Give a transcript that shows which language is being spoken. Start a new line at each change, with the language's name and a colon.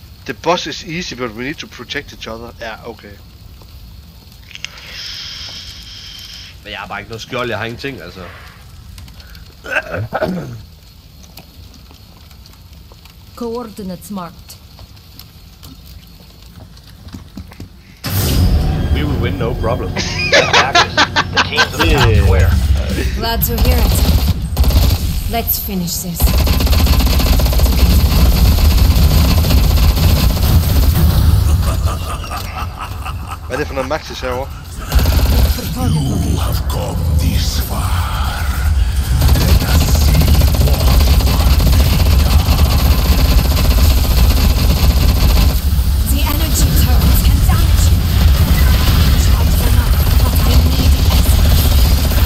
English: The boss is easy, but we need to protect each other.
Danish: Ja, okay. Men jeg har bare ikke noget skjold, jeg har ingenting, altså.
English: Coordinates marked. We will win no problem. The team's not where. Glad to hear it. Let's finish this.
Danish: Hvad er det for noget Maxis herovre?
English: You have come this far. Let us see what you are made of. The energy turrets can damage you. Charge them up, but I need